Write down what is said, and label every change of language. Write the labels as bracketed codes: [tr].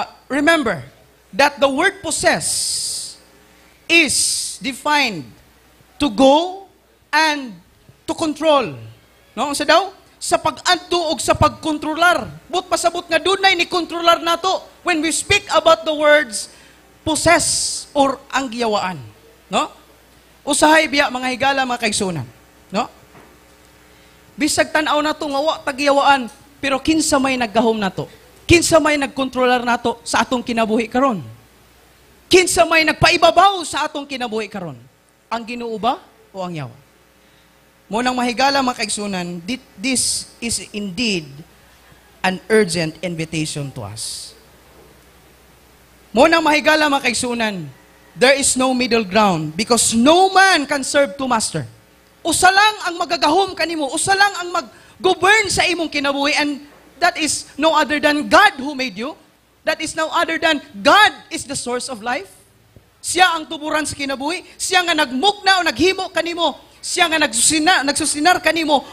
[en] Remember that the word possess is defined to go and to control. [ceb] No, unsa daw? Sa pag-adto og sa pagkontrolar. But pasabot nga dunay ni kontrolar nato [en] when we speak about the words possess [ceb] or ang giyawaan, no? Usahay biya mga higala mga kaigsoonan, no? Bisag tan-aw nato nga wa ta giyawaan, pero kinsa may naggahom nato? Kinsa may nagkontrolar nato sa atong kinabuhi karon? Kinsa may nagpaibabaw sa atong kinabuhi karon? Ang Ginoo ba o ang yawa? Munang mahigala mga kaigsunan, [en] this is indeed an urgent invitation to us. [ceb] Munang mahigala mga kaigsunan, [en] there is no middle ground because no man can serve two master. [ceb] Usa lang ang magagahom kanimo, usa lang ang mag-govern sa imong kinabuhi, [en] and that is no other than God who made you. That is no other than God is the source of life. [ceb] Siya ang tuburan sa kinabuhi. Siya nga nagmukna o naghimo kanimo. Siya nga nagsusinar kanimo.